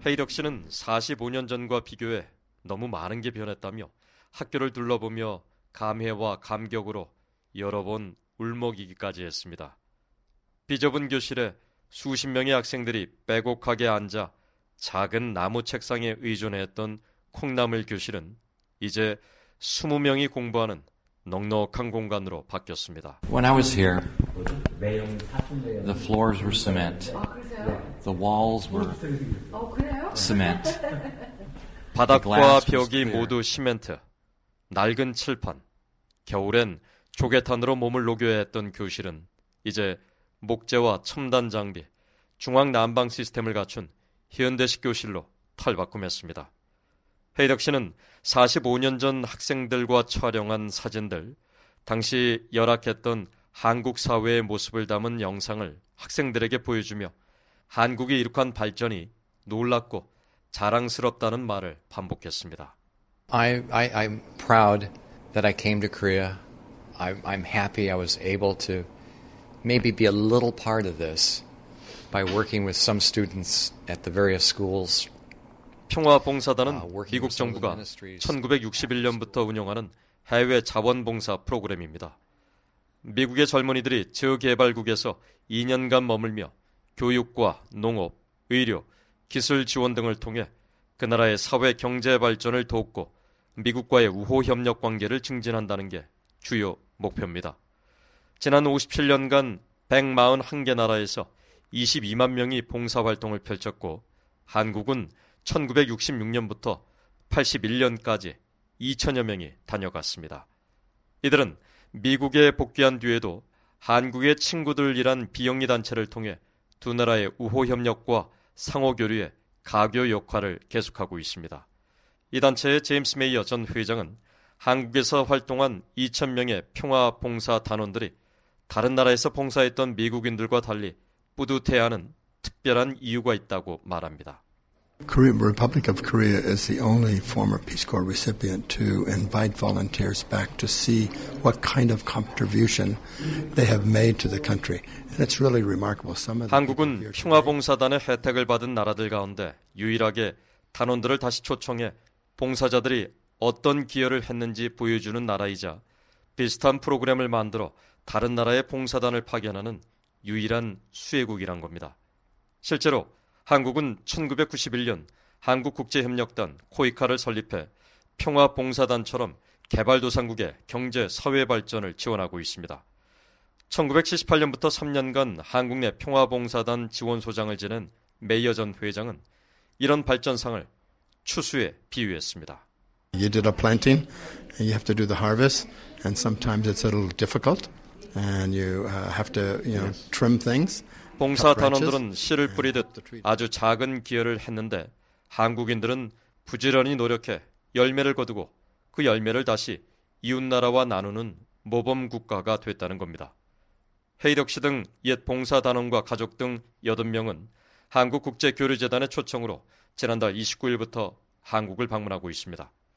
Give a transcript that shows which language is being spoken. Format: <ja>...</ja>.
<ko>헤이덕 씨는 45년 전과 비교해 너무 많은 게 변했다며 학교를 둘러보며 감회와 감격으로 여러 번 울먹이기까지 했습니다. 비좁은 교실에 수십 명의 학생들이 빼곡하게 앉아 작은 나무 책상에 의존했던 콩나물 교실은 이제 20명이 공부하는 넉넉한 공간으로 바뀌었습니다.</ko> <en>When I was here, the floors were cement. The walls were cement.</en> <ko>바닥과 벽이 모두 시멘트. 낡은 칠판, 겨울엔 조개탄으로 몸을 녹여야 했던 교실은 이제 목재와 첨단 장비, 중앙 난방 시스템을 갖춘 현대식 교실로 탈바꿈했습니다. 헤이덕 씨는 45년 전 학생들과 촬영한 사진들, 당시 열악했던 한국 사회의 모습을 담은 영상을 학생들에게 보여주며 한국이 이룩한 발전이 놀랍고 자랑스럽다는 말을 반복했습니다.</ko> <en>I'm proud that I came to Korea. I'm happy I was able to maybe be a little part of this by working with some students at the various schools.</en> <ko>평화봉사단은 미국 정부가 1961년부터 운영하는 해외 자원봉사 프로그램입니다. 미국의 젊은이들이 저개발국에서 2년간 머물며 교육과 농업, 의료, 기술 지원 등을 통해 그 나라의 사회 경제 발전을 돕고 미국과의 우호 협력 관계를 증진한다는 게 주요 목표입니다. 지난 57년간 141개 나라에서 22만 명이 봉사 활동을 펼쳤고 한국은 1966년부터 81년까지 2천여 명이 다녀갔습니다. 이들은 미국에 복귀한 뒤에도 한국의 친구들이란 비영리 단체를 통해 두 나라의 우호 협력과 상호 교류에 가교 역할을 계속하고 있습니다. 이 단체의 제임스 메이어 전 회장은 한국에서 활동한 2천 명의 평화 봉사 단원들이 다른 나라에서 봉사했던 미국인들과 달리 뿌듯해하는 특별한 이유가 있다고 말합니다.</ko> <en>Korea, Republic of Korea is the only former Peace Corps recipient to invite volunteers back to see what kind of contribution they have made to the country. And it's really remarkable. Some of the</en> <ko>한국은 평화봉사단의 혜택을 받은 나라들 가운데 유일하게 단원들을 다시 초청해 봉사자들이 어떤 기여를 했는지 보여주는 나라이자 비슷한 프로그램을 만들어 다른 나라의 봉사단을 파견하는 유일한 수혜국이란 겁니다. 실제로 한국은 1991년 한국국제협력단 코이카를 설립해 평화봉사단처럼 개발도상국의 경제, 사회 발전을 지원하고 있습니다. 1978년부터 3년간 한국 내 평화봉사단 지원소장을 지낸 메이어 전 회장은 이런 발전상을 추수에 비유했습니다.</ko> <en>You did a planting, and you have to do the harvest, and sometimes it's a little difficult, and you have to, you know, trim things.</en> <ko>봉사 단원들은 씨를 뿌리듯 아주 작은 기여를 했는데 한국인들은 부지런히 노력해 열매를 거두고 그 열매를 다시 이웃나라와 나누는 모범 국가가 됐다는 겁니다. 헤이덕 씨 등 옛 봉사 단원과 가족 등 8명은 한국국제교류재단의 초청으로 지난달 29일부터 한국을 방문하고 있습니다.</ko>